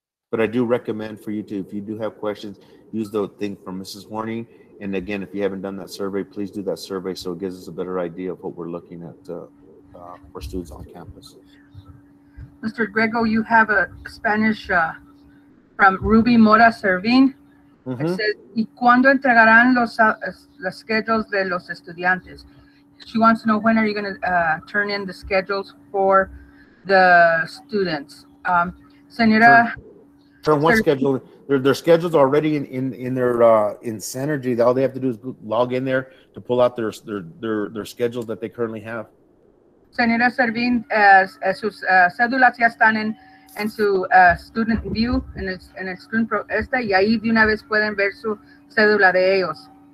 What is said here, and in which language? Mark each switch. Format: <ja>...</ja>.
<en>But I do recommend for you to, if you do have questions, use the thing from Mrs. Horning. And again, if you haven't done that survey, please do that survey so it gives us a better idea of what we're looking at for students on campus. Mr. Griego, you have a Spanish from Ruby Mora Servin.</en> <es>Mm-hmm.</es> <en>It says,</en> <es>¿y cuándo entregarán los schedules de los estudiantes?</es> <en>She wants to know, when are you going to turn in the schedules for the students?</en> <es>Señora...</es> <en>Turn schedule. Their schedules are already in their in Synergy. All they have to do is log in there to pull out their schedules that they currently have.</en> <es>Senora Servin, sus cédulas ya están en su</es> <en>student view,</en> <es>en el student pro, esta, y ahí de una vez pueden ver su cédula de ellos.</es>